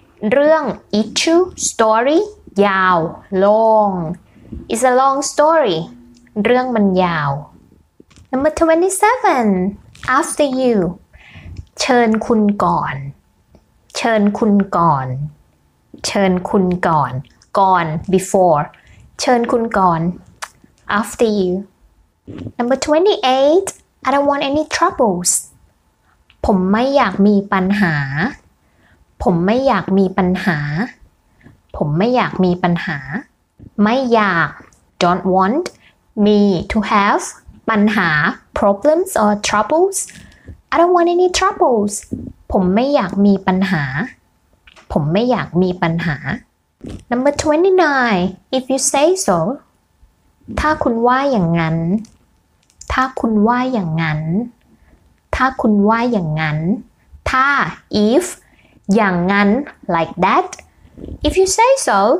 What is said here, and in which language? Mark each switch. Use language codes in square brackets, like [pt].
[en] เรื่อง issue storyยาว long is a long story [th] เรื่องมันยาว [en] number 27 after you [th] เชิญคุณก่อนเชิญคุณก่อนเชิญคุณก่อนก่อน [en] before [th] เชิญคุณก่อน [en] after you number 28 I don't want any troubles [th] ผมไม่อยากมีปัญหาผมไม่อยากมีปัญหาผมไม่อยากมีปัญหาไม่อยาก [en] don't want me to have ปัญหา problems or troubles. I don't want any troubles. [th] ผมไม่อยากมีปัญหา ผมไม่อยากมีปัญหา [en] Number 29. If you say so. [th] ถ้าคุณว่าอย่างนั้น ถ้าคุณว่าอย่างนั้น ถ้าคุณว่าอย่างนั้น ถ้า if อย่างนั้น like that. [en] If you say so.